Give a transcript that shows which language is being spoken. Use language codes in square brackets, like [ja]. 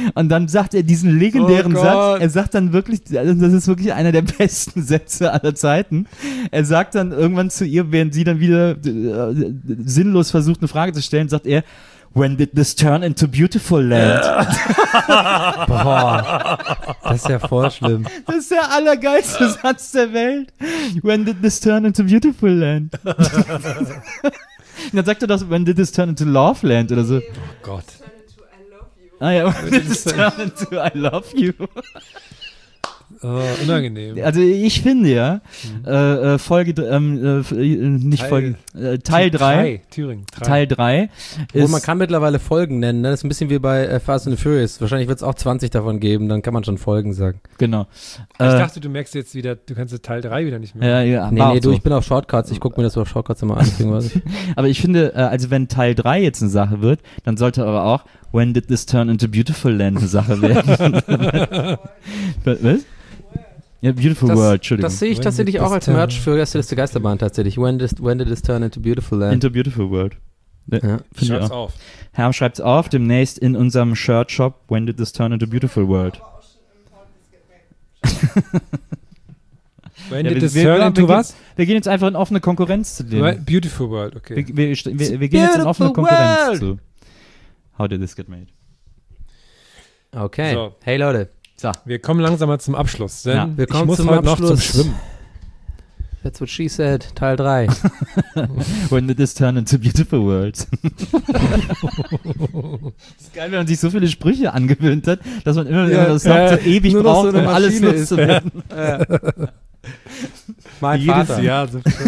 [de] Und dann sagt er diesen legendären, oh Gott, Satz, er sagt dann wirklich, das ist wirklich einer der besten Sätze aller Zeiten. Er sagt dann irgendwann zu ihr, während sie dann wieder sinnlos versucht, eine Frage zu stellen, sagt er, [en] when did this turn into beautiful land? [de] Boah, das ist ja voll schlimm. Das ist der allergeilste Satz der Welt. [en] When did this turn into beautiful land? [de] Dann sagt er doch, [en] when did this turn into love land [de] oder so. Oh Gott. Ah ja, [en] when did this turn into I love you? [de] Oh, unangenehm. Also ich finde ja, Folge, nicht Teil, Folge, Teil 3. Teil 3. Wo man kann mittlerweile Folgen nennen, ne? Das ist ein bisschen wie bei Fast and Furious. Wahrscheinlich wird es auch 20 davon geben, dann kann man schon Folgen sagen. Genau. Ich dachte, du merkst jetzt wieder, du kannst Teil 3 wieder nicht mehr. Nee, ich bin auf Shortcuts, ich gucke mir das auf Shortcuts immer an. Aber ich finde, also wenn Teil 3 jetzt eine Sache wird, dann sollte aber auch [en] When did this turn into beautiful land [de] eine Sache werden. Was? Ja, Beautiful das, World, Entschuldigung. Das sehe ich tatsächlich auch als Merch für Gäste des Geisterbahn tatsächlich. [en] When did this turn into beautiful land? Into beautiful world. [de] Ja, schreibt es auf. Herm schreibt es auf, demnächst in unserem Shirt-Shop. [en] When did this turn into beautiful world? When did this turn into was? [de] Wir gehen jetzt einfach in offene Konkurrenz zu dem. [en] Beautiful world, okay. [de] Wir gehen jetzt in offene Konkurrenz zu. [en] How did this get made? [de] Okay, so. Hey Leute. So. Wir kommen langsam mal zum Abschluss, denn ja, wir kommen ich muss heute noch zum Schwimmen. [en] That's what she said, Teil 3. When did this turn into beautiful world? [de] Das ist geil, wenn man sich so viele Sprüche angewöhnt hat, dass man immer wieder das Wort so ewig nur braucht, so um alles loszuwerden. Ja. Mein jedes Vater. Jahr so.